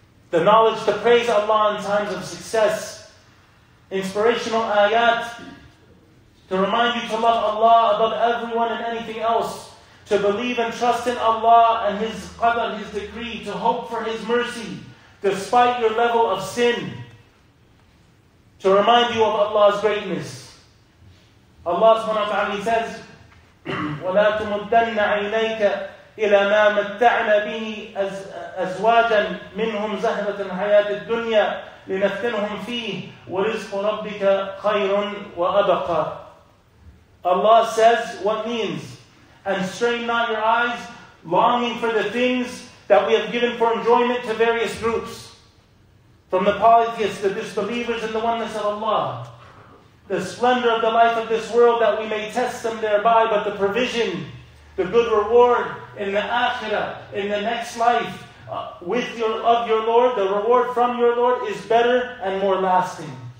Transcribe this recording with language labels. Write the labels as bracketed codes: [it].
[en] the knowledge to praise Allah in times of success, inspirational ayat to remind you to love Allah above everyone and anything else, to believe and trust in Allah and His qadr, His decree, to hope for His mercy despite your level of sin, to remind you of Allah's greatness. Allah subhanahu wa ta'ala says, [ar] وَلَا تُمُدَّنَّ عَيْنَيْكَ إِلَى مَا مَتَّعْنَا بِهِ أَزْوَاجًا مِّنْهُمْ زَهْرَةً حَيَاةِ الدُّنْيَا لِنَفْتِنُهُمْ فِيهِ وَرِزْقُ رَبِّكَ خَيْرٌ وَأَبَقَى. [en] Allah says what means, and strain not your eyes, longing for the things that we have given for enjoyment to various groups, from the polytheists, the disbelievers in the oneness of Allah, the splendor of the life of this world, that we may test them thereby, but the provision, the good reward in the Akhirah, in the next life, of your Lord, the reward from your Lord is better and more lasting.